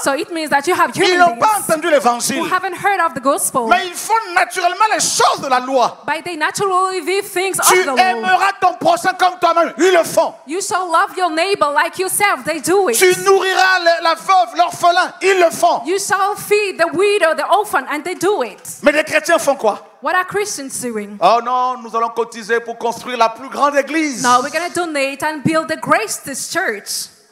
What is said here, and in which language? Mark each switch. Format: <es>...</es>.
<en>So it means that you have humans.</en> <fr>Qui n'ont pas entendu l'évangile.</fr> <en>Who haven't heard of the gospel.</en> <fr>Mais ils font naturellement les choses de la loi.</fr> <en>But they naturally do things</en> <fr>tu</fr> <en>of the law.</en> <fr>Tu aimeras ton prochain comme toi-même. Ils le font.</fr> <en>You shall love your neighbor like yourself. They do it.</en> <fr>Tu nourrira la veuve, l'orphelin, ils le font.</fr> <en>You shall feed the widow, the orphan, and they do it.</en> <fr>Mais les chrétiens font quoi?</fr> <en>What are Christians doing?</en> <fr>Oh non, nous allons cotiser pour construire la plus grande église.</fr> <en>No, we're going to donate and build the greatest church.</en>